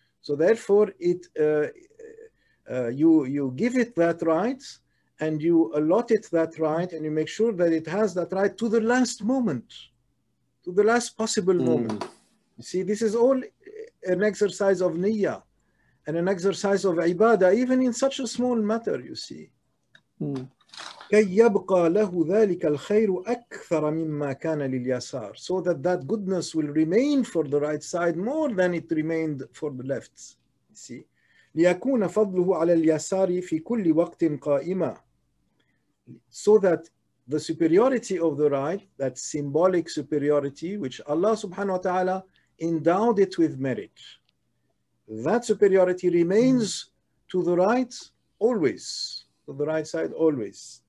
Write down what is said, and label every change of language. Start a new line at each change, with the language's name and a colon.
English: So therefore, it you give it that right and you allot it that right and you make sure that it has that right to the last moment, to the last possible moment. You see, this is all an exercise of niyyah. And an exercise of ibadah, even in such a small matter, you see.
Arabic: كي يبقى له ذلك الخير أكثر مما كان لليسار.
English: So that that goodness will remain for the right side more than it remained for the left. See.
Arabic: ليكون فضله على اليسار في كل وقت قائمة.
English: So that the superiority of the right, that symbolic superiority, which Allah subhanahu wa ta'ala endowed it with merit, that superiority remains to the right always, to the right side always.